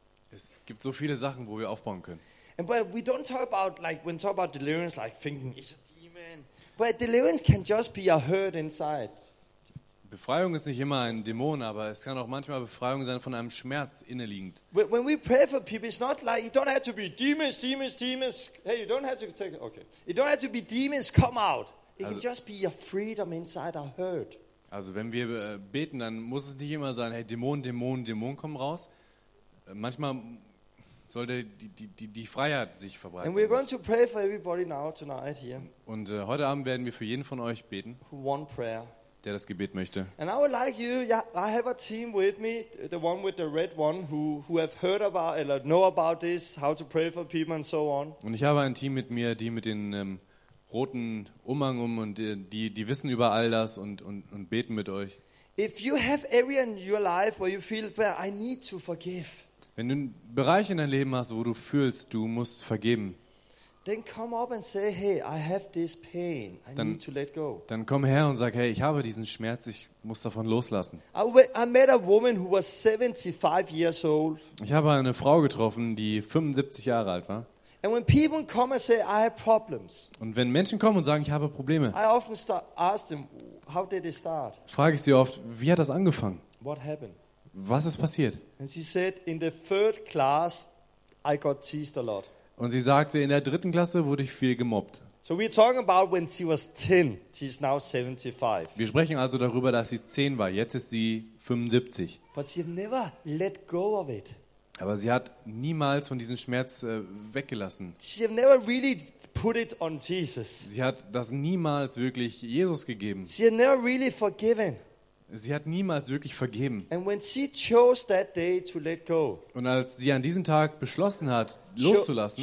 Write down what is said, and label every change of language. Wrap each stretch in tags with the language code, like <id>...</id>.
<de>Es gibt so viele Sachen, wo wir aufbauen können.</de> <en>And well, we don't talk about like when we talk about deliverance, like thinking it's a demon. But deliverance can just be a hurt inside.</en> <de>Befreiung ist nicht immer ein Dämon, aber es kann auch manchmal Befreiung sein von einem Schmerz innerliegend.</de> <en>When we pray for people, it's not like you don't have to be demons. Hey, you don't have to take it. Okay. You don't have to be demons. Come out. It also, can just be your freedom inside a hurt.</en> <de>Also wenn wir beten, dann muss es nicht immer sein, hey, Dämon, komm raus. Manchmal sollte die Freiheit sich verbreiten.</de> <en>And we're going to pray for everybody now tonight here.</en> <de>Und heute Abend werden wir für jeden von euch beten,</de> <en>one prayer,</en> <de>der das Gebet möchte.</de> <en>And I would like you, yeah, I have a team with me, the one with the red one, who have heard about or know about this, how to pray for people and so on.</en> <de>Und ich habe ein Team mit mir, die mit den roten Umhang um und die wissen über all das und beten mit euch.</de> <en>If you have area in your life where you feel well, I need to forgive.</en> <de>Wenn du einen Bereich in deinem Leben hast, wo du fühlst, du musst vergeben.</de> <en>Then come up and say, hey, I have this pain. I</en> <de>dann,</de> <en>need to let go.</en> <de>Dann komm her und sag, hey, ich habe diesen Schmerz, ich muss davon loslassen.</de> <en>I met a woman who was 75 years old.</en> <de>Ich habe eine Frau getroffen, die 75 Jahre alt war.</de> <en>And when people come and say I have problems.</en> <de>Und wenn Menschen kommen und sagen, ich habe Probleme.</de> <en>I often ask them, how did it start?</en> <de>Frage ich sie oft, wie hat das angefangen?</de> <en>What happened?</en> <de>Was ist passiert?</de> <en>And she said in the third class I got teased a lot.</en> <de>Und sie sagte, in der dritten Klasse wurde ich viel gemobbt.</de> <en>So we're talking about when she was 10. She's now 75.</en> <de>Wir sprechen also darüber, dass sie 10 war. Jetzt ist sie 75.</de> <en>But she never let go of it.</en> <de>Aber sie hat niemals von diesem Schmerz weggelassen.</de> <en>She never really put it on Jesus.</en> <de>Sie hat das niemals wirklich Jesus gegeben.</de> <en>She never really forgiven.</en> <de>Sie hat niemals wirklich vergeben.</de> <en>And when she chose that day to let go.</en> <de>Und als sie an diesem Tag beschlossen hat, loszulassen.</de>